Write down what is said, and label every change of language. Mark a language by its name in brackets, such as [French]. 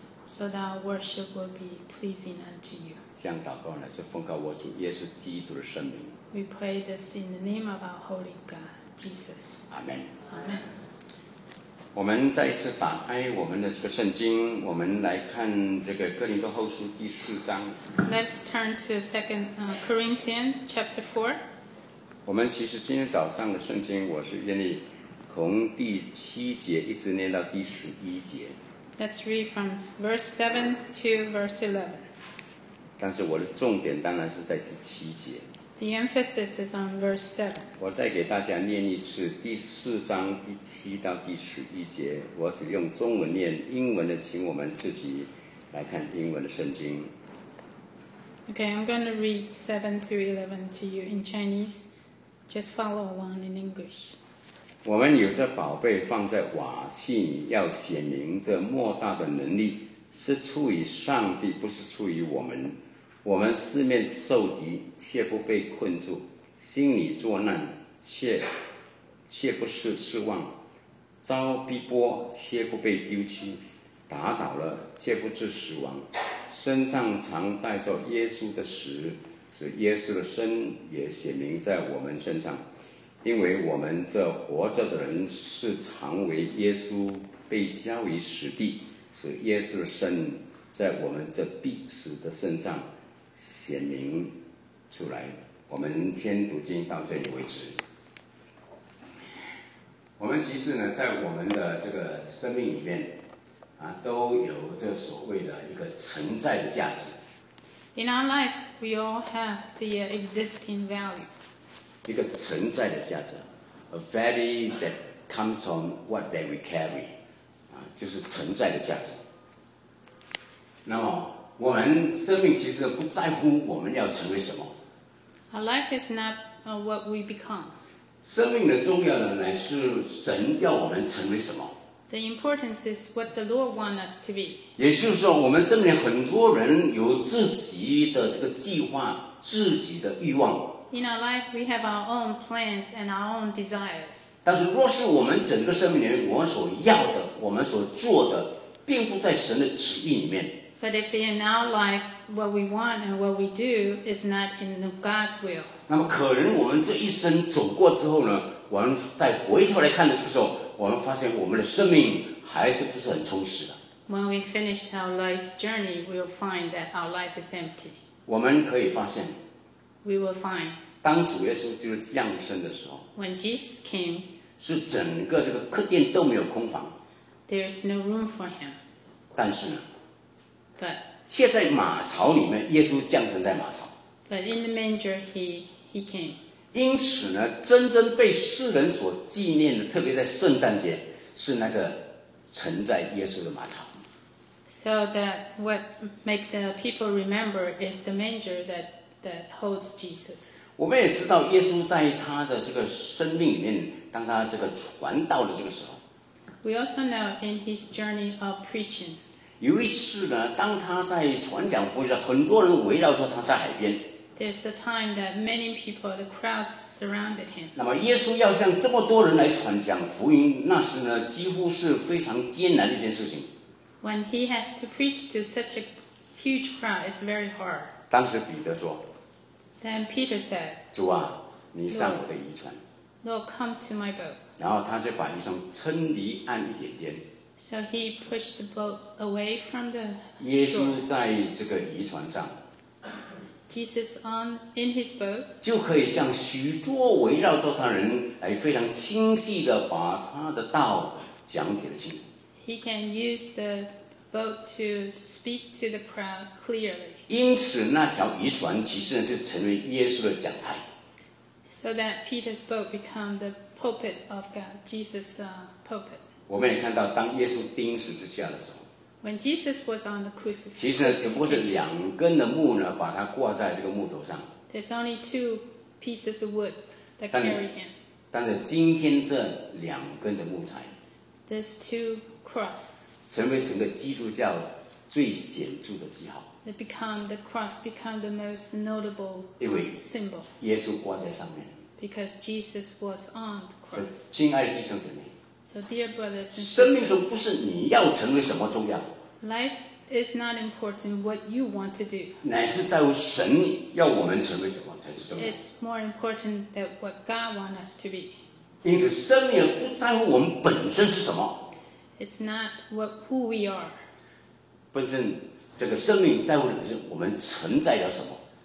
[English] So that our worship will be pleasing unto you. [Chinese] 这样祷告呢，是奉告我主耶稣基督的圣名。 [English] We pray this in the name of our holy God, Jesus. Amen. Amen. [Chinese] 我们再一次打开我们的这个圣经，我们来看这个哥林多后书第四章。 [English] Let's turn to Second Corinthians chapter 4. [Chinese] 我们其实今天早上的圣经，我是愿意。从第七节一直念到第十一节。 [English] Let's read from verse 7 to verse 11. [Chinese] 但是我的重点当然是在第七节。 [English] The emphasis is on verse 7. [Chinese] 我再给大家念一次第四章第七到第十一节，我只用中文念，英文的请我们自己来看英文的圣经。 [English] Okay, I'm going to read 7 through 11 to you in Chinese. Just follow along in English. [Chinese] 我们有这宝贝放在瓦器，要显明这莫大的能力是出于上帝，不是出于我们。我们四面受敌，却不被困住；心里作难，却不是失望；遭逼迫，却不被丢弃；打倒了，却不致死亡。身上常带着耶稣的死，使耶稣的生也显明在我们身上。因为我们这活着的人是常为耶稣被交于死地，使耶稣的生在我们这必死的身上显明出来。我们先读经到这里为止。我们其实呢，在我们的这个生命里面啊，都有这所谓的一个存在的价值。 [English] In our life, we all have the existing value. [Chinese] 一个存在的价值 ， [English] a value that comes from what that we carry， [Chinese] 啊，就是存在的价值。那么，我们生命其实不在乎我们要成为什么。 [English] Our life is not what we become。 [Chinese] 生命的重要的乃是神要我们成为什么。 [English] The importance is what the Lord wants us to be。 [Chinese] 也就是说，我们生命很多人有自己的这个计划，自己的欲望。 [English] In our life, we have our own plans and our own desires. [Chinese] 但是若是我们整个生命里面，我们所要的，我们所做的，并不在神的旨意里面。 [English] But if in our life, what we want and what we do is not in God's will. [Chinese] 那么可能我们这一生走过之后呢，我们再回头来看的时候，我们发现我们的生命还是不是很充实的。 [English] When we finish our life journey, we'll find that our life is empty. [Chinese] 我们可以发现 [English] We will find. [Chinese] 当主耶稣就是降生的时候 [English] ，When Jesus came， [Chinese] 是整个这个客店都没有空房 [English] ，There is no room for him。 [Chinese] 但是呢 [English] ，But [Chinese] 却在马槽里面，耶稣降生在马槽。 [English] But in the manger he came。 [Chinese] 因此呢，真正被世人所纪念的，特别在圣诞节，是那个存在耶稣的马槽。 [English] So that what make the people remember is the manger that holds Jesus. [Chinese] 我们也知道耶稣在他的这个生命里面，当他这个传道的这个时候。 [English] We also know in his journey of preaching. [Chinese] 有一次呢，当他在传讲福音时，很多人围绕着他在海边。 [English] There's a time that many people, the crowds surrounded him. [Chinese] 那么耶稣要向这么多人来传讲福音，那时呢，几乎是非常艰难的一件事情。 [English] When he has to preach to such a huge crowd, it's very hard. [Chinese] 当时彼得说 [English] Then Peter said, [Chinese] 主啊你上我的渔船 [English] Lord, come to my boat. [Chinese] 然后他就把渔船撑离岸一点点 [English] So he pushed the boat away from the shore. [Chinese] 耶稣在这个渔船上 [English] Jesus on in his boat [Chinese] 就可以向许多围绕着他人来非常清晰地把他的道讲解清楚 [English] He can use theboat to speak to the crowd clearly. [Chinese] 因此那条渔船其实就成为耶稣的讲台。 [English] So that Peter's boat became the pulpit of God, Jesus' pulpit. [Chinese] 我们也看到当耶稣钉十字架的时候， [English] When Jesus was on the crucifixion， [Chinese] 其实只不过是两根的木呢把它挂在这个木头上， [English] There's only two pieces of wood that carry him。 [Chinese] 但是今天这两根的木材， [English] There's two cross， [Chinese] 成为整个基督教最显著的记号。 [English] It become the cross become the most notable symbol. [Chinese] 耶稣挂在上面。 [English] Because Jesus was on the cross. [Chinese] 亲爱的弟兄姐妹。 [English] So dear brothers and sisters. [Chinese] 生命中不是你要成为什么重要。 [English] Life is not important what you want to do. [Chinese] 乃是在乎神要我们成为什么才是重要。 [English] It's more important than what God wants us to be. [Chinese] 因此生命不在乎我们本身是什么。 [English] It's not what who we are. [Chinese] 本身。这个生命在乎的是我们承载了什么。